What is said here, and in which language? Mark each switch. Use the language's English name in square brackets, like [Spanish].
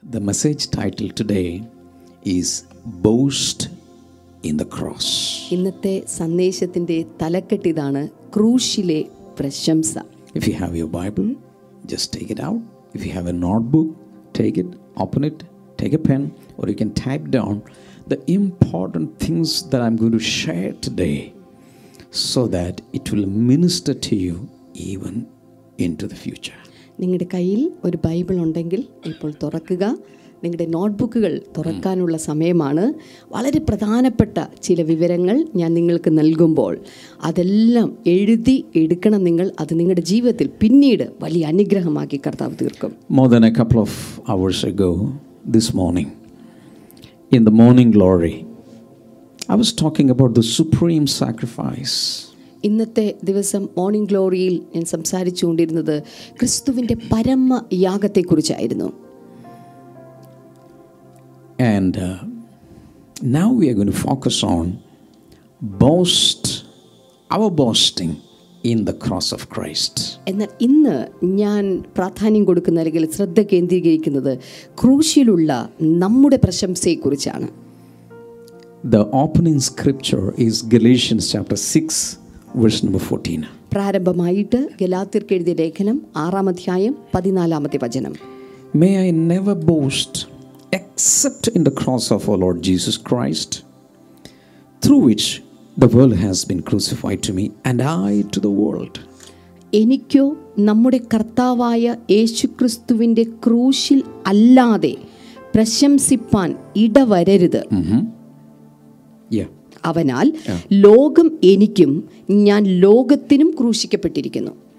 [English] The message title today is Boast in the Cross. [Malayalam] ഇന്നത്തെ സന്ദേശത്തിന്റെ തലക്കെട്ട് ഇതാണ്, ക്രൂശിലെ പ്രശംസ. [English] If you have your Bible, just take it out. If you have a notebook, take it, open it, take a pen, or you can type down the important things that I'm going to share today so that it will minister to you even into the future. [Malayalam] നിങ്ങളുടെ കയ്യിൽ ഒരു Bible ഉണ്ടെങ്കിൽ ഇപ്പോൾ തുറക്കുക. നിങ്ങളുടെ നോട്ട്ബുക്കുകൾ തുറക്കാനുള്ള സമയമാണ്. വളരെ പ്രധാനപ്പെട്ട ചില വിവരങ്ങൾ ഞാൻ നിങ്ങൾക്ക് നൽകുമ്പോൾ അതെല്ലാം എഴുതി എടുക്കണം നിങ്ങൾ. അത് നിങ്ങളുടെ ജീവിതത്തിൽ പിന്നീട് വലിയ അനുഗ്രഹമാക്കി കർത്താവ് തീർക്കും. [English] More than a couple of hours ago this morning, in the morning glory, I was talking about the supreme sacrifice. [Malayalam] ഇന്നത്തെ ദിവസം മോർണിംഗ് ഗ്ലോറിയിൽ ഞാൻ സംസാരിച്ചുകൊണ്ടിരുന്നത് ക്രിസ്തുവിന്റെ പരമ യാഗത്തെ കുറിച്ചായിരുന്നു. [English] And now we are going to focus on boast, our boasting in the cross of Christ. [Malayalam] എന്നാൽ ഇന്ന് ഞാൻ പ്രാധാന്യം കൊടുക്കുന്ന അല്ലെങ്കിൽ ശ്രദ്ധ കേന്ദ്രീകരിക്കുന്നത് ക്രൂശിലുള്ള നമ്മുടെ പ്രശംസയെ കുറിച്ചാണ്. [English] The opening scripture is Galatians chapter 6, verse number 14. [Malayalam] പ്രാരംഭമായിട്ട് ഗലാത്യർക്ക് എഴുതിയ ലേഖനം 6-ാം അധ്യായം 14-ാമത്തെ വചനം. [English] May I never boast except in the cross of our Lord Jesus Christ, through which the world has been crucified to me and I to the world. [Malayalam] എനിക്കു നമ്മുടെ കർത്താവായ യേശുക്രിസ്തുവിന്റെ ക്രൂശിൽ അല്ലാതെ പ്രശംസിപ്പാൻ ഇടവരരുത്. അവനാൽ ലോകം എനിക്കും ഞാൻ ലോകത്തിനും ക്രൂശിക്കപ്പെട്ടിരിക്കുന്നു.